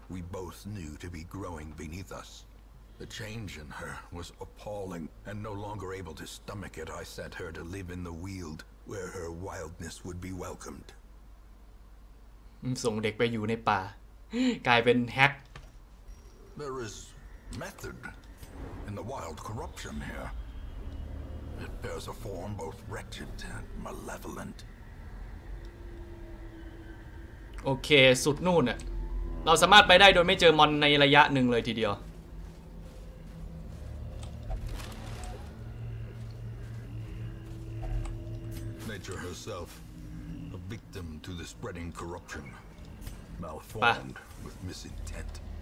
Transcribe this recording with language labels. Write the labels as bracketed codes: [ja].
[en] The change in her was appalling, and no longer able to stomach it, I set her to live in the Weald, where her wildness would be welcomed. [th] ส่งเด็กไปอยู่ในป่ากลายเป็นแฮก [en] There is method in the wild corruption here. It bears a form both wretched and malevolent. [th] โอเคสุดนู่นอ่ะเราสามารถไปได้โดยไม่เจอมอนในระยะหนึ่งเลยทีเดียว [en] Herself, a victim to the spreading corruption, malformed with misintent.